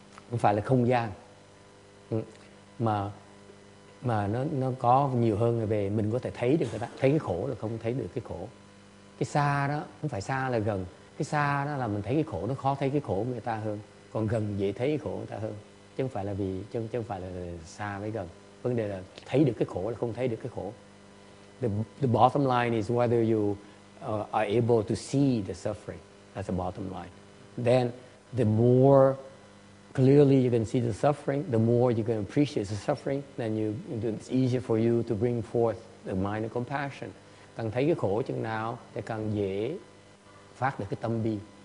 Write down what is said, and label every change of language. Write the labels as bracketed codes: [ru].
[vi] Không phải là không gian, mà nó có nhiều hơn về mình có thể thấy được cái đó. Thấy cái khổ là không thấy được cái khổ. Cái xa đó không phải xa là gần, cái xa đó là mình thấy cái khổ, nó khó thấy cái khổ của người ta hơn, còn gần dễ thấy cái khổ của người ta hơn. Chứ không phải là vì chứ không phải là xa với gần, vấn đề là thấy được cái khổ là không thấy được cái khổ. [en] The bottom line is whether you are able to see the suffering. That's the bottom line. Then the more clearly you can see the suffering, the more you can appreciate the suffering, then it's easier for you to bring forth the mind of compassion. [vi] Càng thấy cái khổ chừng nào thì càng dễ phát được cái tâm bi.